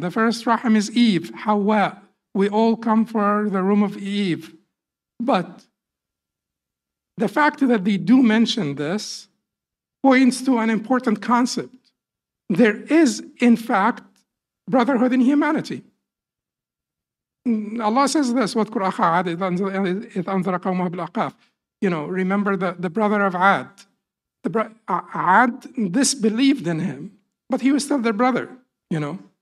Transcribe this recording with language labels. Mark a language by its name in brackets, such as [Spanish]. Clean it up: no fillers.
[English] The first rahim is Eve, Hawa. We all come from the womb of Eve. But the fact that they do mention this points to an important concept. There is, in fact, brotherhood in humanity. Allah says this, [Arabic] وَذْكُرْ أَخَا عَادٍ إِذْ أَنْذَرَ قَوْمَهُ بِالْأَحْقَافِ. [English] You know, remember the brother of Ad. Ad disbelieved in him, but he was still their brother, you know.